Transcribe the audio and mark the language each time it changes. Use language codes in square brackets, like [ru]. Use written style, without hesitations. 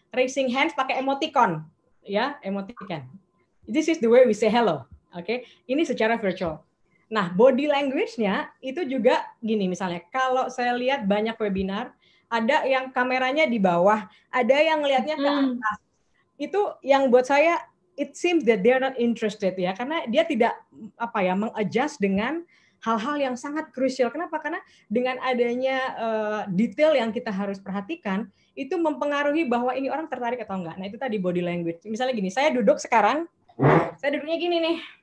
[en] Raising hands [id] pakai [en] emoticon. [id] Ya, [en] emoticon. This is the way we say hello. Okay? [id] Ini secara virtual. Nah, body language-nya itu juga gini, misalnya. Kalau saya lihat banyak webinar, ada yang kameranya di bawah, ada yang ngelihatnya ke atas. Itu yang buat saya, [en] it seems that they're not interested. [id] Ya, karena dia tidak meng-adjust dengan hal-hal yang sangat krusial. Kenapa? Karena dengan adanya detail yang kita harus perhatikan, itu mempengaruhi bahwa ini orang tertarik atau enggak. Nah, itu tadi body language. Misalnya gini, saya duduk sekarang, saya duduknya gini nih.